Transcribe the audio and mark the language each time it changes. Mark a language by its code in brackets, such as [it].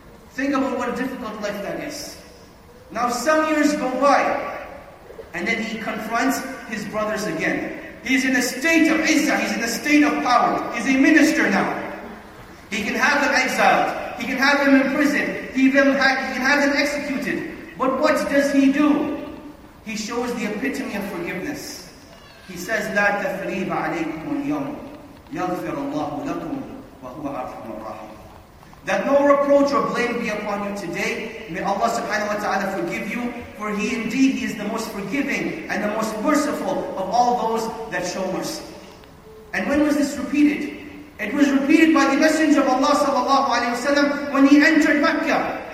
[en] Think about what a difficult life that is. Now some years go by, and then he confronts his brothers again. He's in a state of izzah, he's in a state of power, he's a minister now. He can have them exiled. He can have them imprisoned. He can have them executed. But what does he do? He shows the epitome of forgiveness. He says, [ar] لَا تَثْرِيبَ عَلَيْكُمُ الْيَوْمُ يَغْفِرَ اللَّهُ لَكُمْ وَهُوَ أَرْحَمُ الرَّحِيمُ. [en] That no reproach or blame be upon you today. May Allah subhanahu wa ta'ala forgive you. For He indeed, He is the most forgiving and the most merciful of all those that show mercy. And when was this repeated? It was repeated by the Messenger of Allah sallallahu alayhi wa sallam when he entered Mecca.